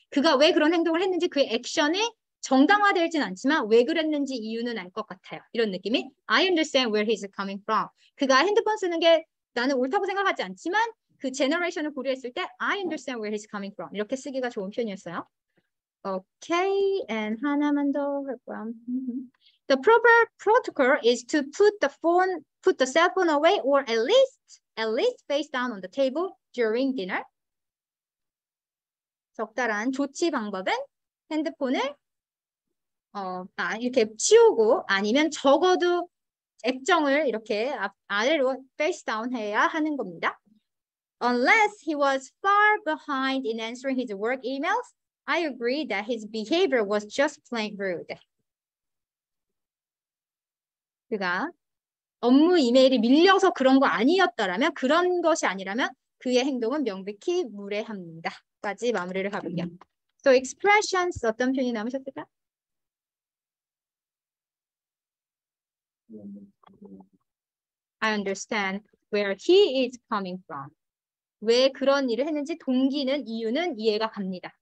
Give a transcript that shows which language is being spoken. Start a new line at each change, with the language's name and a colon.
Korean: 그가 왜 그런 행동을 했는지 그 액션에 정당화되진 않지만 왜 그랬는지 이유는 알 것 같아요. 이런 느낌이
English: I understand where he's coming from.
Korean: 그가 핸드폰 쓰는 게 나는 옳다고 생각하지 않지만 그 제너레이션을 고려했을 때 I understand where he's coming from. 이렇게 쓰기가 좋은 표현이었어요.
English: Okay, and
Korean: 하나만 더 할까요?
English: The proper protocol is to put the cell phone away or at least face down on the table during dinner.
Korean: 적절한 조치 방법은 핸드폰을 이렇게 치우고 아니면 적어도 액정을 이렇게 아래로
English: face down
Korean: 해야 하는 겁니다.
English: Unless he was far behind in answering his work emails, I agree that his behavior was just plain rude.
Korean: 그가 업무 이메일이 밀려서 그런 거 아니었더라면 그런 것이 아니라면 그의 행동은 명백히 무례합니다. 까지 마무리를 가볼게요.
English: So expressions
Korean: 어떤 표현이 남으셨을까?
English: 네. I understand where he is coming from.
Korean: 왜 그런 일을 했는지 동기는 이유는 이해가 갑니다.